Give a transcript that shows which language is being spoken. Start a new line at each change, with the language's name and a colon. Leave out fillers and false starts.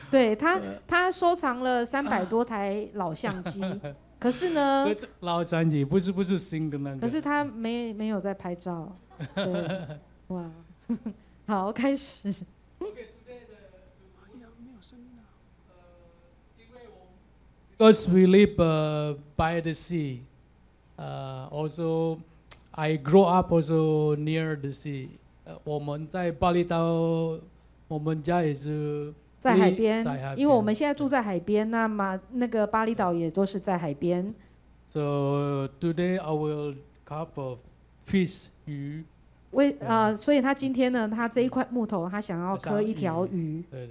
Chinese: 对，他收藏了300多台老相机，可是呢，老相机不是新的那个，可是他没有在拍照，对，哇，好，开始。
English: Because we live by the sea, also I grow up also near the sea.
Chinese: 我们在巴厘岛。我们家也是在海边，因为我们现在住在海边，那么那个巴厘岛也都是在海边。
English: So today I will cup of fish 鱼。
Chinese: 所以他今天呢，他这一块木头，他想要刻一条鱼。